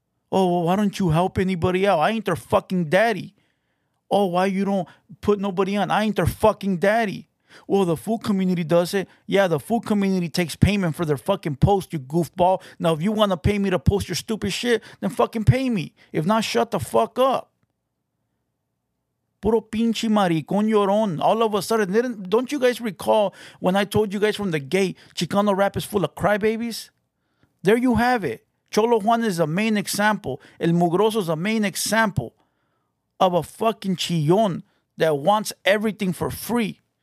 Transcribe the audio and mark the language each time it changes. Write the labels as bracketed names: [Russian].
[English] Oh, well, why don't you help anybody out? I ain't their fucking daddy. Oh, why you don't put nobody on? I ain't their fucking daddy. Well, the food community does it. Yeah, the food community takes payment for their fucking post, you goofball. Now, if you want to pay me to post your stupid shit, then fucking pay me. If not, shut the fuck up. [Spanish] Puro pinche maricón llorón. [English] All of a sudden, don't you guys recall when I told you guys from the gate, Chicano rap is full of crybabies? There you have it. Cholo Juan is a main example. El Mugroso is a main example of a fucking chillon that wants everything for free.